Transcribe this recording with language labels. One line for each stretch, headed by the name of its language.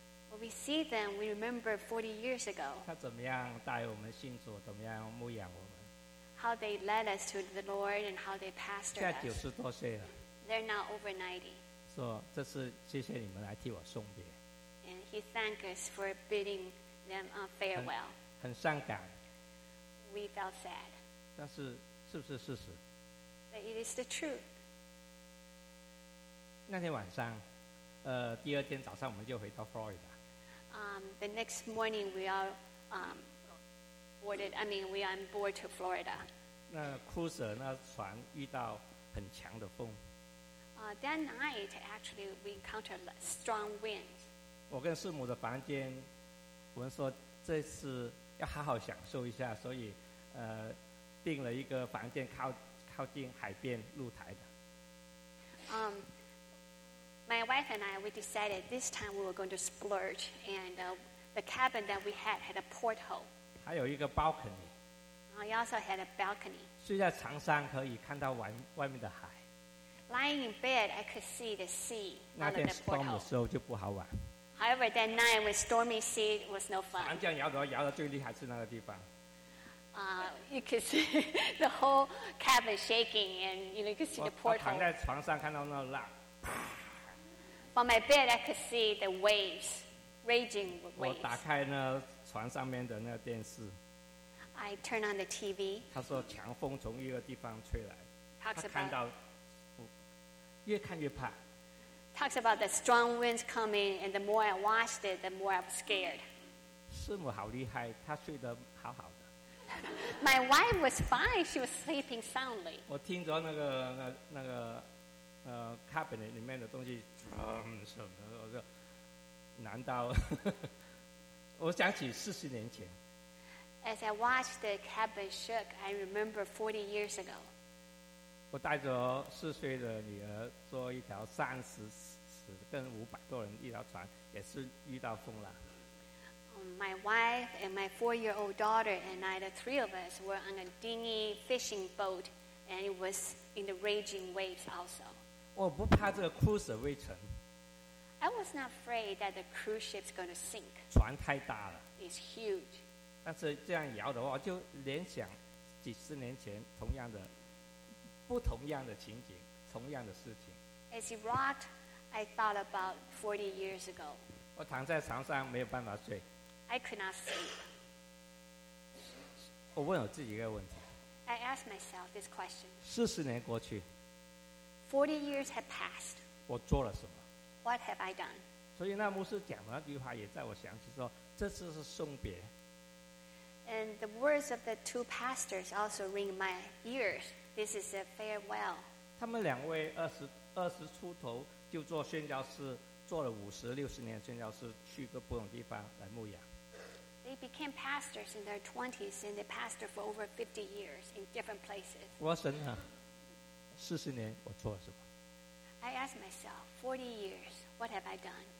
English: When we see them, we remember 40 years ago.
Chinese: 他怎么样带我们信主，怎么样牧养我们。
English: How they led us to the Lord and how they pastored us.
Chinese: 现在九十多岁了。
English: They're now over 90.
Chinese: 说这是谢谢你们来替我送别。
English: And he thanked us for bidding them a farewell.
Chinese: 很伤感。
English: We felt sad.
Chinese: 但是是不是事实？
English: But it is the truth.
Chinese: 那天晚上，第二天早上我们就回到 Florida。
English: The next morning we are boarded. I mean, we are on board to Florida.
Chinese: 那 cruiser 那船遇到很强的风。
English: That night, actually, we encountered strong winds.
Chinese: 我跟师母的房间，我们说这次要好好享受一下，所以订了一个房间靠近海边露台的。
English: My wife and I, we decided this time we were going to splurge, and the cabin that we had a porthole.
Chinese: 还有一个 balcony.
English: We also had a balcony.
Chinese: 睡在床上可以看到外面的海。
English: Lying in bed, I could see the sea under the porthole.
Chinese: 那天 storm 的时候就不好玩。
English: However, that night with stormy sea was no fun.
Chinese: 船这样摇着摇着，最厉害是那个地方。
English: You could see the whole cabin shaking, and you know, you could see the porthole.
Chinese: 我躺在床上看到那浪。
English: On my bed, I could see the waves, raging waves.
Chinese: 我打开那船上面的那个电视。
English: I turn on the TV.
Chinese: 他说强风从一个地方吹来。
English: Talks about.
Chinese: 他看到，越看越怕。
English: Talks about the strong winds coming, and the more I watched it, the more I was scared.
Chinese: 师母好厉害，她睡得好好的。
English: My wife was fine; she was sleeping soundly.
Chinese: 我听着那个。cabinet 里面的东西，什么？我说，难道？我想起四十年前。
English: As I watched the cabin shook, I remember 40 years ago.
Chinese: 我带着四岁的女儿坐一条30尺跟500多人一条船，也是遇到风了。
English: My wife and my four-year-old daughter and I, the three of us, were on a dinghy fishing boat, and it was in the raging waves also.
Chinese: 我不怕这个 cruise 会沉。
English: I was not afraid that the cruise ship's going to sink.
Chinese: 船太大了。
English: It's huge.
Chinese: 但是这样摇的话，我就联想几十年前同样的、不同样的情景、同样的事情。
English: As you rocked, I thought about 40 years ago.
Chinese: 我躺在床上没有办法睡。
English: I could not sleep.
Chinese: 我问我自己一个问题。
English: I asked myself this question.
Chinese: 四十年过去。
English: 40 years have passed.
Chinese: 我做了什么？
English: What have I done?
Chinese: 所以那牧师讲的那句话也在我想起说，这次是送别。
English: And the words of the two pastors also ring my ears. This is a farewell.
Chinese: 他们两位二十出头就做宣教士，做了50-60年宣教士，去个不同地方来牧养。
English: They became pastors in their 20s and they pastored for over 50 years in different places.
Chinese: 我神啊，40年我做了什么？
English: I asked myself, 40 years, what have I done?